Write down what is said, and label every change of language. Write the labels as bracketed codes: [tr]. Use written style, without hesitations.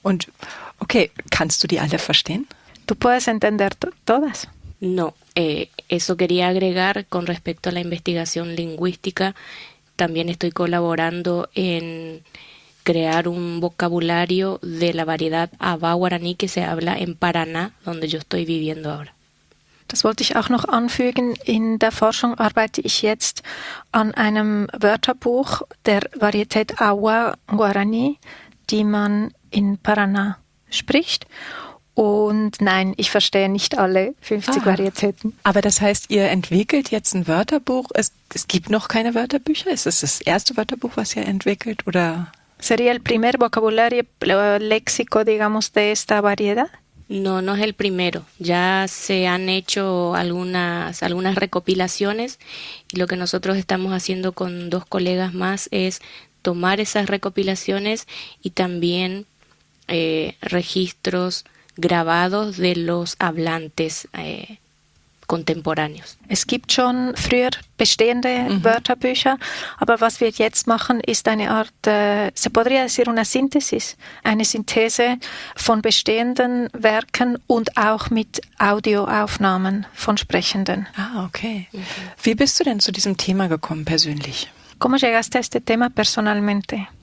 [de] Und okay, kannst du die alle verstehen? [es] Tú puedes entender todas. No, eso quería agregar con respecto a la investigación lingüística. También estoy colaborando en crear un vocabulario de la variedad Aba Guaraní que se habla en Paraná, donde yo estoy viviendo ahora. [de] Das wollte ich auch noch anfügen. In der Forschung arbeite ich jetzt an einem Wörterbuch der Varietät Aba Guaraní, die man in Paraná spricht. Und nein, ich verstehe nicht alle 50 Varietäten. Aber das heißt, ihr entwickelt jetzt ein Wörterbuch. Es gibt noch keine Wörterbücher? Ist es das erste Wörterbuch, was ihr entwickelt? Oder? [es] ¿Sería el primer vocabulario léxico, digamos, de esta variedad? No, no es el primero. Ya se han hecho algunas recopilaciones y lo que nosotros estamos haciendo con dos colegas más es tomar esas recopilaciones y también registros grabados de los hablantes contemporáneos. [de] Es gibt schon früher bestehende Wörterbücher, aber was wir jetzt machen, ist eine Art, [es] se podría decir una síntesis, [de] eine Synthese von bestehenden Werken und auch mit Audioaufnahmen von Sprechenden. Ah, okay. Wie bist du denn zu diesem Thema gekommen, persönlich? [es] ¿Cómo llegaste a este tema personalmente?